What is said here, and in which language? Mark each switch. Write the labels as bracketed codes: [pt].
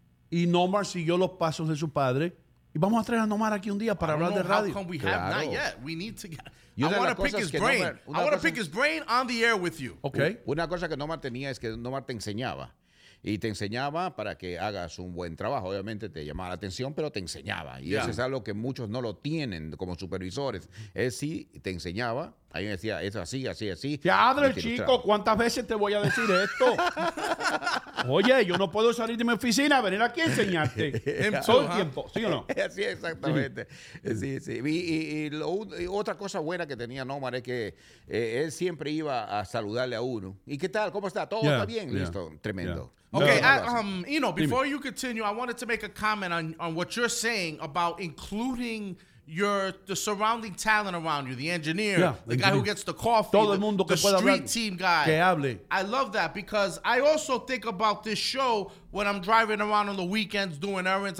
[es] Y Nomar siguió los pasos de su padre. Y vamos a traer a Nomar aquí un día para hablar de radio. [en] How come we have not yet? We need to get... Yo I want to pick his brain. Nomar, I want to pick his brain on the air with you. Okay. [es] Una cosa que Nomar tenía es que Nomar te enseñaba. Y te enseñaba para que hagas un buen trabajo. Obviamente te llamaba la atención, pero te enseñaba. Y eso es algo que muchos no lo tienen como supervisores. Él sí te enseñaba. Ahí me decía, es así, así, así. ¡Padre, chico! ¿Cuántas veces te voy a decir esto? Oye, yo no puedo salir de mi oficina a venir aquí a enseñarte. En todo el tiempo, ¿sí o no? Sí, exactamente. Sí, sí. Y otra cosa buena que tenía Nomar es que él siempre iba a saludarle a uno. ¿Y qué tal? ¿Cómo está? ¿Todo está bien? Listo. Tremendo. Yeah. [en] Okay, Eno, before you continue, I wanted to make a comment on what you're saying about including the surrounding talent around you, the engineer, guy who gets the coffee, [es] todo el mundo [en] the street [es] hablar, [en] team guy. [es] Que hable. [en] I love that because I also think about this show when I'm driving around on the weekends doing errands.